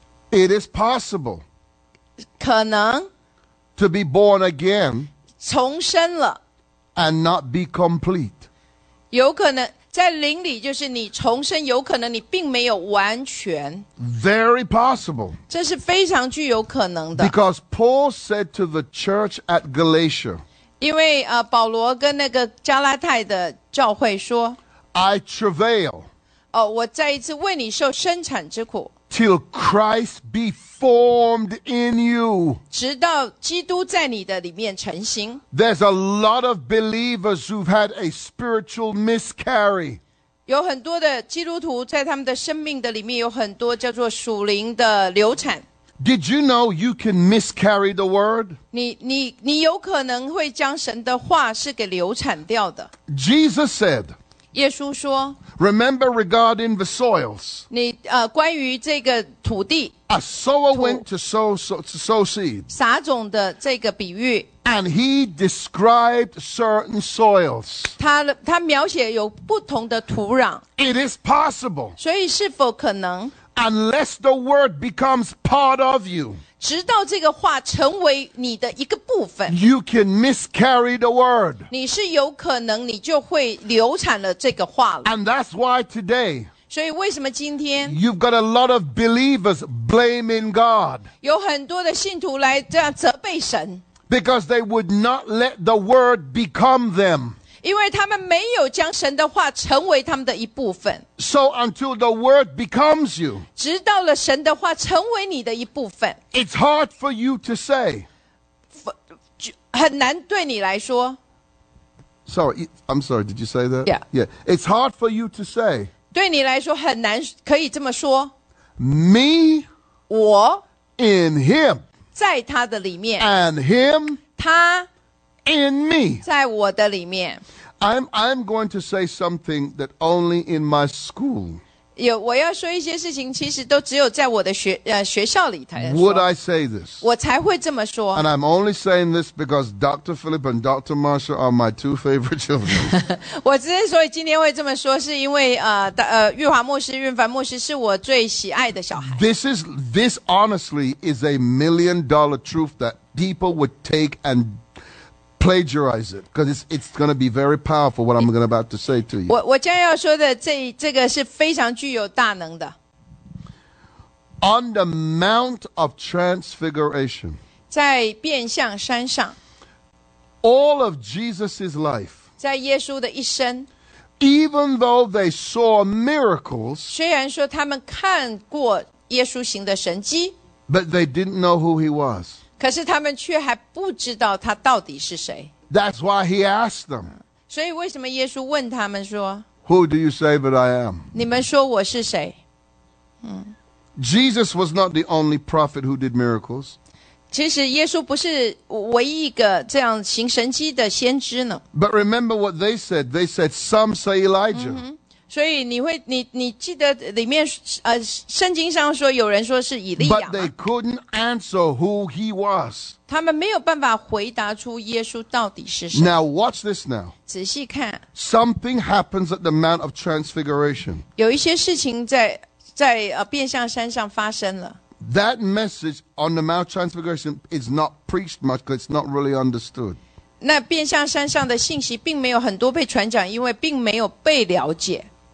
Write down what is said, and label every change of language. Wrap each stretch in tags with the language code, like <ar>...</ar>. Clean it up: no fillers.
<en>it is possible,</en> <zh>可能</zh> <en>to be born again,</en> <zh>重生了</zh> <en>and not be complete.</en> <zh>有可能。在灵里就是你重生，有可能你并没有完全。</zh> <en>Very possible.</en> <zh>这是非常具有可能的。</zh> <en>Because Paul said to the church at Galatia.</en> <zh>因为保罗跟那个加拉太的教会说。</zh> <en>I travail.</en> <zh>我再一次为你受生产之苦。</zh> <en>Till Christ be formed in you.</en> <zh>直到基督在你的里面成形。</zh> <en>There's a lot of believers who've had a spiritual miscarry.</en> <zh>有很多的基督徒在他们的生命的里面有很多叫做属灵的流产。</zh> <en>Did you know you can miscarry the word?</en> <zh>你有可能会将神的话是给流产掉的。</zh> <en>Jesus said,</en> <zh>耶稣说</zh> <en>Remember regarding the soils.</en> <zh>你关于这个土地</zh> <en>A sower went to sow seed.</en> <zh>撒种的这个比喻</zh> <en>And he described certain soils.</en> <zh>他描写有不同的土壤</zh> <en>It is possible.</en> <zh>所以是否可能</zh> <en>Unless the word becomes part of you.</en> <zh>直到这个话成为你的一个部分</zh> <en>You can miscarry the word</en> <zh>你是有可能你就会流产了这个话了</zh> <en>And that's why today</en> <zh>所以为什么今天</zh> <en>You've got a lot of believers blaming God</en> <zh>有很多的信徒来这样责备神</zh> <en>Because they would not let the word become them</en> <zh>因为他们没有将神的话成为他们的一部分</zh> <en>So until the word becomes you</en> <zh>直到了神的话成为你的一部分</zh> <en>It's hard for you to say.</en> <zh>很难对你来说。</zh> <en>Sorry, I'm sorry, did you say that? Yeah. Yeah. It's hard for you to say.</en> <zh>对你来说很难可以这么说。</zh> <en>Me.</en> <zh>我。</zh> <en>In him.</en> <zh>在他的里面。</zh> <en>And him.</en> <zh>他。</zh> <en>In me.</en> <zh>在我的里面。</zh> <en>I'm going to say something that only in my school.</en> <zh>有我要说一些事情，其实都只有在我的学学校里才说。</zh> <en>Would I say this?</en> <zh>我才会这么说。</zh> <en>And I'm only saying this because Dr. Philip and Dr. Marshall are my two favorite children.</en> <zh>我之所以今天会这么说，是因为玉华牧师、韵凡牧师是我最喜爱的小孩。</zh> <en>This honestly is a million dollar truth that people would take and plagiarize it, because it's going to be very powerful what I'm going about to say to you.</en> <zh>我将要说的这个是非常具有大能的。</zh> <en>On the Mount of Transfiguration,</en> <zh>在变相山上,</zh> <en>all of Jesus's life,</en> <zh>在耶稣的一生,</zh> <en>even though they saw miracles,</en> <zh>虽然说他们看过耶稣行的神迹,</zh> <en>but they didn't know who he was.</en> <zh>可是他们却还不知道他到底是谁。</zh> <en>That's why he asked them.</en> <zh>所以为什么耶稣问他们说</zh> <en>，Who do you say that I am?</en> <zh>你们说我是谁？嗯。</zh> <en>Jesus was not the only prophet who did miracles.</en> <zh>其实耶稣不是唯一一个这样行神迹的先知呢。</zh> <en>But remember what they said. They said some say Elijah.、Mm-hmm.</en> <zh>所以你记得里面圣经上说有人说是以利亚。</zh> <en>But they couldn't answer who he was.</en> <zh>他们没有办法回答出耶稣到底是谁。</zh> <en>Now watch this now.</en> <zh>仔细看。</zh> <en>Something happens at the Mount of Transfiguration.</en> <zh>有一些事情在变相山上发生了。</zh> <en>That message on the Mount of Transfiguration is not preached much because it's not really understood.</en> <zh>那变相山上的信息并没有很多被传讲，因为并没有被了解。</zh>